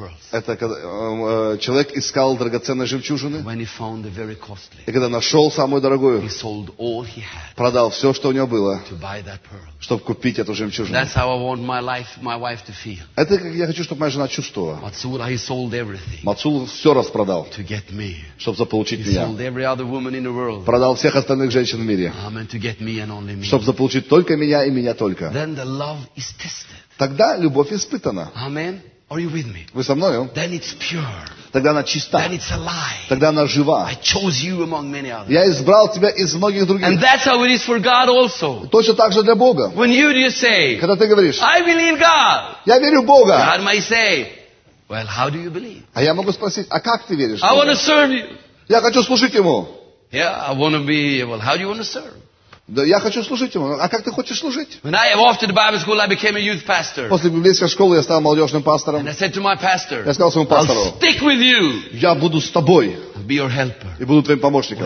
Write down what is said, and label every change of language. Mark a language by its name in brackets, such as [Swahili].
[Russian] Это когда человек искал драгоценные жемчужины. [English] When he found the very costly, [Russian] и когда нашел самую дорогую, [English] he sold all he had, [Russian] продал все, что у него было, [English] to buy that pearl. [Russian] Чтобы купить эту жемчужину. [English] That's how I want my life, my wife to feel. [Russian] Это как я хочу, чтобы моя жена чувствовала. [English] Matsul, he sold everything, [Russian] Matsul все распродал, [English] to get me, [Russian] чтобы заполучить меня. [English] He sold every other woman in the world, [Russian] продал всех остальных женщин в мире, [English] amen, to get me and only me, [Russian] чтобы заполучить только меня и меня только. [English] Then the love is tested. [Russian] Тогда любовь испытана. [English] Amen. Are you with me? [Russian] Вы со мною? [English] Then it's pure. [Russian] Тогда она чиста. [English] Then it's alive. [Russian] Тогда она жива. [English] I chose you among many others. [Russian] Я избрал тебя из многих других. [English] And that's how it is for God also. [Russian] Точно так же для Бога. [English] When you do you say, [Russian] когда ты говоришь, [English] I believe God. [Russian] Я верю в Бога. [English] God might say, well, how do you believe? [Russian] А я могу спросить, а как ты веришь? [English] I want to serve you. [Russian] Я хочу служить Ему. [English] Yeah, I want to be, well, how do you want to serve? [Russian] Да, я хочу служить ему. А как ты хочешь служить? [English] When I, after the Bible school, I became a youth pastor. [Russian] После библейской школы я стал молодежным пастором. [English] And I said to my pastor, [Russian] я сказал своему пастору, [English] I'll stick with you. [Russian] Я буду с тобой. [English] I'll be your helper. [Russian] И буду твоим помощником.